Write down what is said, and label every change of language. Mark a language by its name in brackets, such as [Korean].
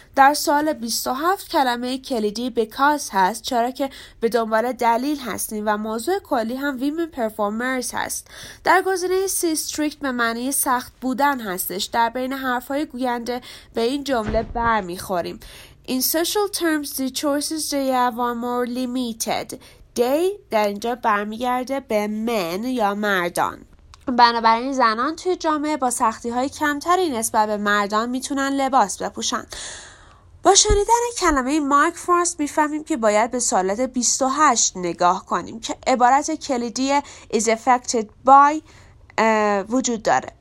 [Persian] در سوال 27 کلمه کلیدی because هست، چرا که به دنبال دلیل هستیم و موضوع کلی هم [English] women performers [Persian] هست. در گزینه 30 strict به معنی سخت بودن هستش، در بین حرفای گوینده به این جمله بر می‌خوریم. [English] In social terms, the choices they have are more limited. [Persian] They در اینجا برمیگرده به men یا مردان. بنابراین زنان توی جامعه با سختی‌های کمتری نسبت به مردان میتونن لباس بپوشن. با شنیدن کلمه مارک فرست میفهمیم که باید به سوالات 28 نگاه کنیم که عبارت کلیدی [English] is affected by [Persian] وجود داره.